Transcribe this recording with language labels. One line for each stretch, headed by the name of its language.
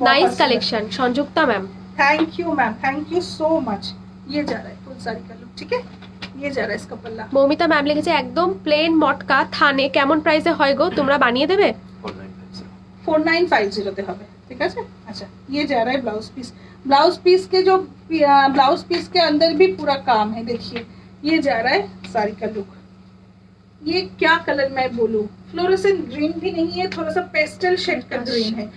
English: Nice collection Sanjukta ma'am. Thank you ma'am, thank you so much.
Hindi: ये जा रहा है फुल साड़ी का लुक, ठीक है ये जा रहा है इसका पल्ला।
Bangla: মৌমিতা ম্যাম লিখেছে একদম প্লেন মটকা থানে, কেমন প্রাইসে হয় গো, তোমরা বানিয়ে দেবে? 4950 তে হবে, ঠিক আছে।
Hindi: আচ্ছা ये जा रहा है ब्लाउज पीस, ब्लाउज पीस के जो ब्लाउज पीस के अंदर भी पूरा काम है, देखिए ये जा रहा है साड़ी का लुक, ये क्या कलर मैं बोलूं, फ्लोरोसेंट ग्रीन भी नहीं है, थोड़ा सा पेस्टल शेड का ग्रीन है,